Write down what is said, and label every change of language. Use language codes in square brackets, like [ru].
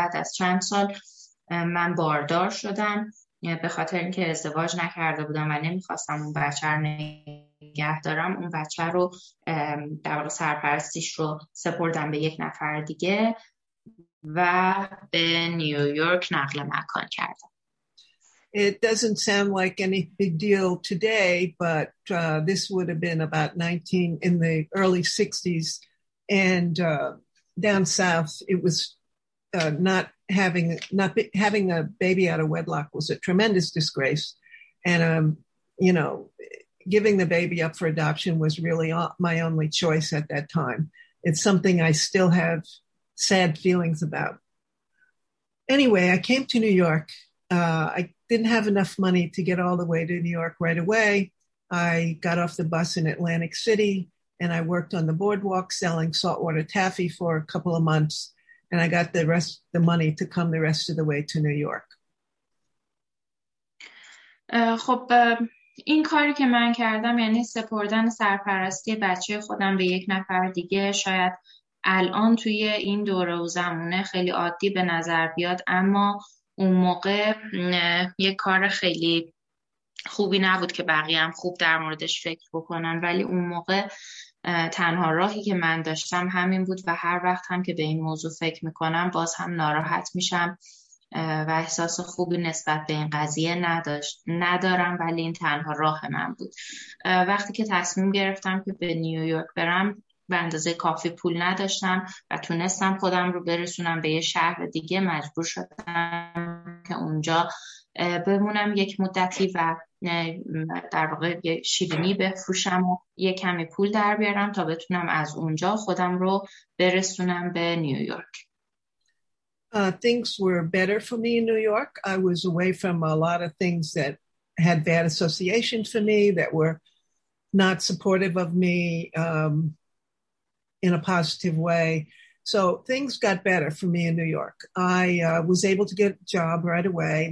[fa] بعد از چند سال من باردار شدم به خاطر اینکه ازدواج نکرده بودم و نمی‌خواستم اون بچه رو نگه دارم. اون بچه رو در واقع سرپرستیش رو سپردم به یک نفر دیگه و به نیویورک نقل مکان کردم. [en] It doesn't sound like any big deal today, but this would have been about 19 in the early 60s, and down south it was not having a baby out of wedlock was a tremendous disgrace, and you know, giving the baby up for adoption was really my only choice at that time. It's something I still have sad feelings about. Anyway, I came to New York. I didn't have enough money to get all the way to New York right away. I got off the bus in Atlantic City and I worked on the boardwalk selling saltwater taffy for a couple of months. And I got the money to come the rest of the way to New York. [fa] خب این کاری که من کردم، یعنی سپردن سرپرستی بچه خودم به یک نفر دیگه، شاید الان توی این دوره و زمونه خیلی عادی به نظر بیاد، اما اون موقع یک کار خیلی خوبی نبود که بقیه هم خوب در موردش فکر بکنن. ولی اون موقع تنها راهی که من داشتم همین بود و هر وقت هم که به این موضوع فکر میکنم باز هم ناراحت میشم و احساس خوبی نسبت به این قضیه ندارم، ولی این تنها راه من بود. وقتی که تصمیم گرفتم که به نیویورک برم، به اندازه کافی پول نداشتم و تونستم خودم رو برسونم به یه شهر دیگه، مجبور شدم که اونجا بمونم یک مدتی و در واقع شیرینی بفروشم و یه کمی پول در بیارم تا بتونم از اونجا خودم رو برسونم به نیویورک. [en] things were better for me in New York. I was away from a lot of things that had bad associations for me, that were not supportive of me in a positive way. So things got better for me in New York. I was able to get a job right away.